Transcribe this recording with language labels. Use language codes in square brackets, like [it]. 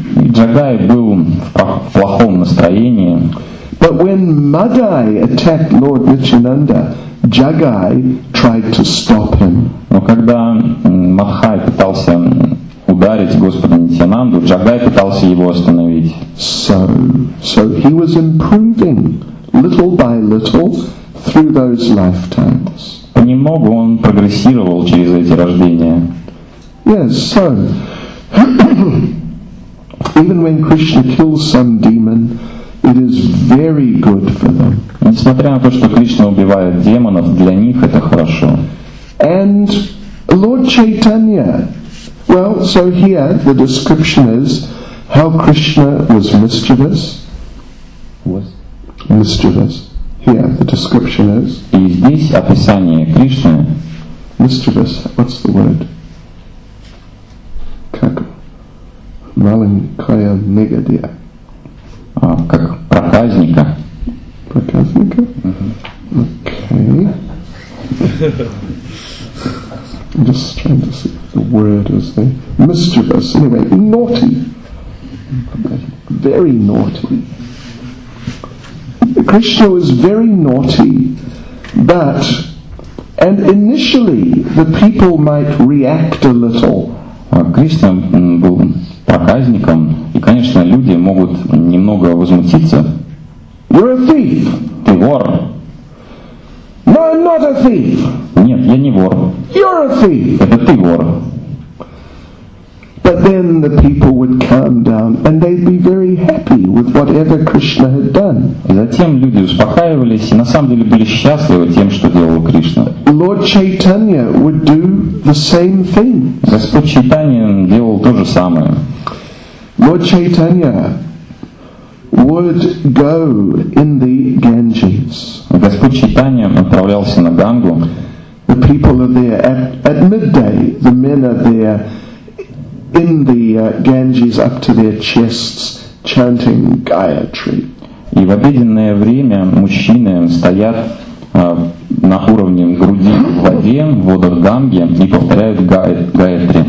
[ru] И Jagai был в плохом настроении. [en] But when Madai attacked Lord Nityananda, Jagai tried to stop him. [ru] Но когда Мадхай пытался ударить Господа Нитянанду, Джагай пытался его остановить. [en] So he was improving little by little through those lifetimes. [ru] Понемногу он прогрессировал через эти рождения. [en] Yes, so even when Krishna kills some demon, it is very good for them. [ru] Несмотря на то, что Кришна убивает демонов, для них это хорошо. [en] And Lord Chaitanya, well, so here the description is how Krishna was mischievous. Was mischievous. Here the description is. [ru] И здесь описание Кришны. [en] Mischievous. What's the word? [ru] Как маленькая негодяя. А, как проказника. Проказника? Окей. [en] I'm just trying to see what the word is there. Mischievous. Anyway, naughty. Very naughty. Krishna was very naughty, but, and initially the people might react a little. [ru] Кришна был проказником, и, конечно, люди могут немного возмутиться. [en] You're a thief. [ru] Ты вор. [en] No, I'm not a thief. [ru] Нет, я не вор. [en] You're a thief. [ru] Это ты вор. [en] But then the people would calm down, and they'd be very happy with whatever Krishna had done. [ru] Затем люди успокаивались и на самом деле были счастливы тем, что делал Кришна. [en] Lord Chaitanya would do the same thing. [ru] Господь Чайтанья делал то же самое. [en] Lord Chaitanya would go in the Ganges. [ru] Господь Чайтанья отправлялся на Гангу. [en] The people are there at midday. The men are there in the Ganges up to their chests chanting Gayatri. [ru] И в обеденное время мужчины стоят на уровне груди в воде, в водах Ганги и повторяют Гайатри.